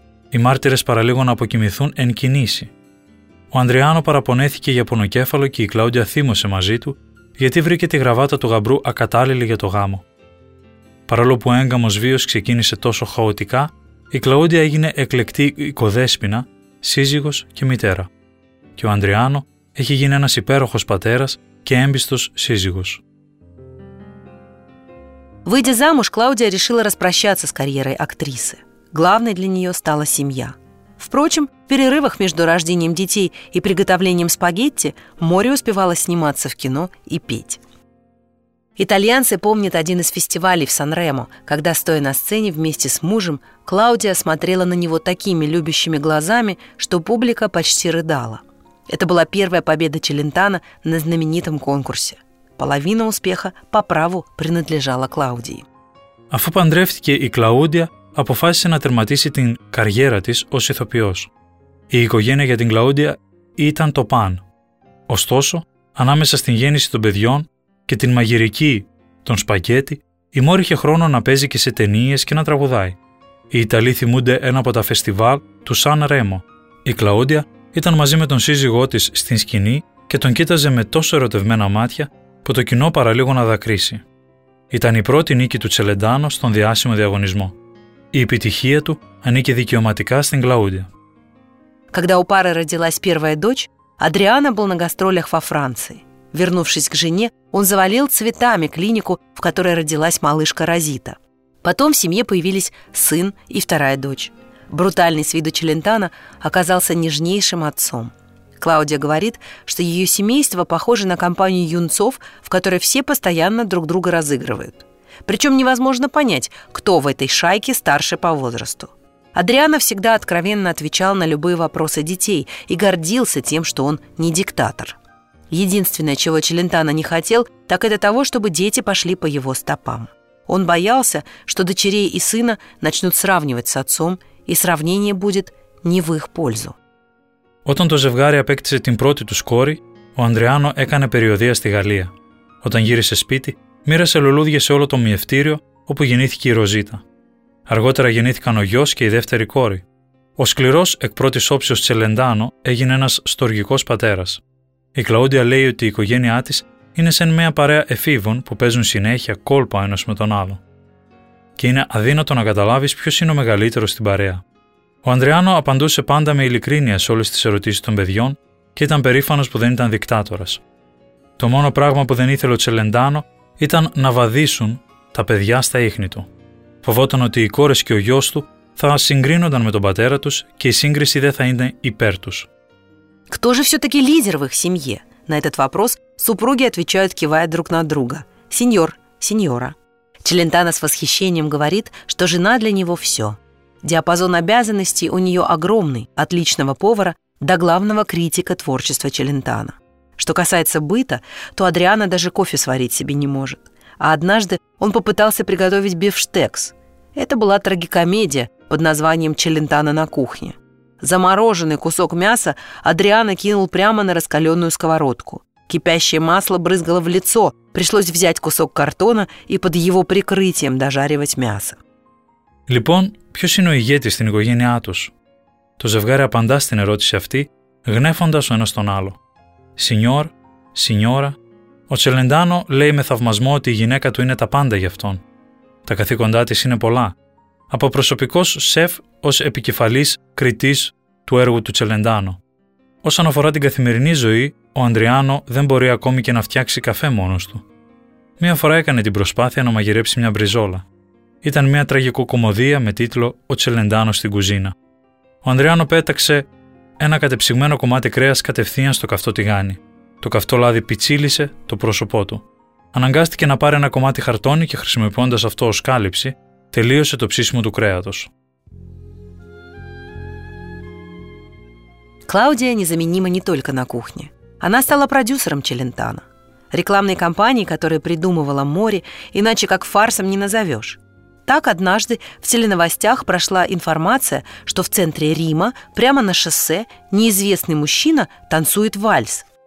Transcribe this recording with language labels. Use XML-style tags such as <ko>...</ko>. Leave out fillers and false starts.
<el>Οι μάρτυρες παραλίγο να αποκοιμηθούν εν κινήσει. Ο Αντριάνο παραπονέθηκε για πονοκέφαλο και η Κλαούντια θύμωσε μαζί του, γιατί βρήκε τη γραβάτα του γαμπρού ακατάλληλη για το γάμο. Παρόλο που ο έγκαμος βίος ξεκίνησε τόσο χαοτικά, η Κλαούντια έγινε εκλεκτή οικοδέσποινα, σύζυγος και μητέρα. Και ο Αντριάνο έχει γίνει ένας υπέροχος πατέρας και έμπιστος σύζυγος.</el> <ru>Выйдя замуж, Клаудия решила распрощаться с карьерой актрисы. Главной для нее стала семья. Впрочем, в перерывах между рождением детей и приготовлением спагетти Мори успевала сниматься в кино и петь. Итальянцы помнят один из фестивалей в Сан-Ремо, когда, стоя на сцене вместе с мужем, Клаудия смотрела на него такими любящими глазами, что публика почти рыдала. Это была первая победа Челентано на знаменитом конкурсе. Половина успеха по праву принадлежала Клаудии.</ru> <el>Αφού παντρεύτηκε η Κλαούντια, αποφάσισε να τερματίσει την καριέρα της ως ηθοποιός. Η οικογένεια για την Κλαούντια ήταν το παν. Ωστόσο, ανάμεσα στην γέννηση των παιδιών και την μαγειρική, τον σπαγκέτι, η Μόρη είχε χρόνο να παίζει και σε ταινίες και να τραγουδάει. Οι Ιταλοί θυμούνται ένα από τα φεστιβάλ του Σαν Ρέμο. Η Κλαούντια ήταν μαζί με τον σύζυγό της στην σκηνή και τον κοίταζε με τόσο ερωτευμένα μάτια που το κοινό παραλίγο να δακρύσει. Ήταν η πρώτη νίκη του Τσελεντάνο στον διάσημο διαγωνισμό. Η επιτυχία του ανήκει δικαιωματικά στην Κλαούντια.</el> <ru>Когда у пары родилась первая дочь, Адриана был на гастролях во Франции. Вернувшись к жене, он завалил цветами клинику, в которой родилась малышка Розита. Потом в семье появились сын и вторая дочь. Брутальный с виду Челентано оказался нежнейшим отцом. Клаудия говорит, что ее семейство похоже на компанию юнцов, в которой все постоянно друг друга разыгрывают. Причем невозможно понять, кто в этой шайке старше по возрасту. Адриано всегда откровенно отвечал на любые вопросы детей и гордился тем, что он не диктатор. Единственное, чего Челентано не хотел, так это того, чтобы дети пошли по его стопам. Он боялся, что дочерей и сына начнут сравнивать с отцом, и сравнение будет не в их пользу.</ru> <el>Όταν το ζευγάρι απέκτησε την πρώτη του κόρη, ο Αντριάνο έκανε περιοδεία στη Γαλλία. Όταν γύρισε σπίτι, μοίρασε λουλούδια σε όλο το μυευτήριο όπου γεννήθηκε η Ροζίτα. Αργότερα γεννήθηκαν ο γιος και η δεύτερη κόρη. Ο σκληρός εκ πρώτης όψεως Τσελεντάνο έγινε ένας στοργικός πατέρας. Η Κλαούντια λέει ότι η οικογένειά της είναι σαν μια παρέα εφήβων που παίζουν συνέχεια κόλπο ένας με τον άλλο. Και είναι αδύνατο να καταλάβεις ποιος είναι ο μεγαλύτερος στην παρέα. Ο Ανδριάνο απαντούσε πάντα με ειλικρίνεια σε όλες τις ερωτήσεις των παιδιών και ήταν περήφανος που δεν ήταν δικτάτορας. Το μόνο πράγμα που δεν ήθελε ο Τσελεντάνο ήταν να βαδίσουν τα παιδιά στα ίχνη του. Φοβόταν ότι οι κόρες και ο γιος του θα συγκρίνονταν με τον πατέρα τους και η σύγκριση δεν θα είναι υπέρ τους.</el> <ru>Кто же все-таки лидер в их семье? На этот вопрос супруги отвечают, кивая друг на друга. Сеньор, сеньора. Челентано с восхищением говорит, что жена для него все. Диапазон обязанностей у нее огромный, от личного повара до главного критика творчества Челентано. Что касается быта, то Адриано даже кофе сварить себе не может. А однажды он попытался приготовить бифштекс. Это была трагикомедия под названием «Челентано на кухне». Замороженный кусок мяса Адриано кинул прямо на раскаленную сковородку. Кипящее масло брызгало в лицо, пришлось взять кусок картона и под его прикрытием дожаривать мясо.</ru> <el>Λοιπόν, ποιος είναι ο ηγέτης στην οικογένειά τους? Το ζευγάρι απαντά στην ερώτηση αυτή, γνέφοντας ο ένας τον άλλο. Σινιόρ, σινιόρα. Ο Τσελεντάνο λέει με θαυμασμό ότι η γυναίκα του είναι τα πάντα για αυτόν. Τα καθήκοντά της είναι πολλά. Από προσωπικός σεφ ως επικεφαλής κριτής του έργου του Τσελεντάνο. Όσον αφορά την καθημερινή ζωή, ο Ανδριάνο δεν μπορεί ακόμη και να φτιάξει καφέ μόνος του. Μία φορά έκανε την προσπάθεια να μαγειρέψει μια μπριζόλα. Ήταν μια τραγικοκομωδία με τίτλο «Ο Τσελεντάνο στην κουζίνα». Ο Ανδριάνο πέταξε ένα κατεψυγμένο κομμάτι κρέας κατευθείαν στο καυτό τηγάνι. Το καυτό λάδι πιτσίλησε το πρόσωπό του. Αναγκάστηκε να πάρει ένα κομμάτι χαρτόνι και χρησιμοποιώντας αυτό ως κάλυψη, τελείωσε το ψήσιμο του κρέατος.</el> <ru>Клаудия незаменима не только на кухне. Она стала продюсером Челентано. Рекламной кампании, которую придумывала Мори, иначе как фарсом не назовешь. Так однажды в теленовостях прошла информация, что в центре Рима, прямо на шоссе, неизвестный мужчина танцует вальс.</ru>